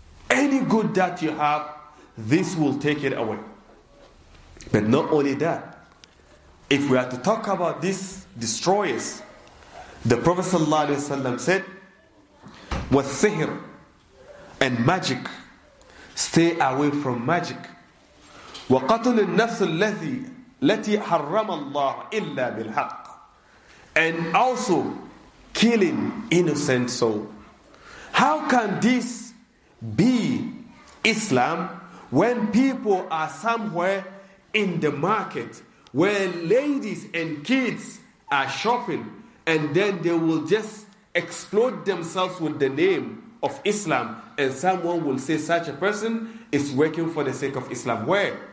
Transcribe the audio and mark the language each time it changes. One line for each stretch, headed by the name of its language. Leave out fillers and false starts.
English: Any good that you have, this will take it away. But not only that, if we are to talk about these destroyers, the Prophet sallallahu alaihi wasallam said, was sihr and magic, Stay away from magic.
Arabic: وقتل النفس الذي التي حرم الله إلا بالحق.
English: And also killing innocent soul. How can this be Islam when people are somewhere in the market where ladies and kids are shopping and then they will just explode themselves with the name of Islam and someone will say such a person is working for the sake of Islam? Where?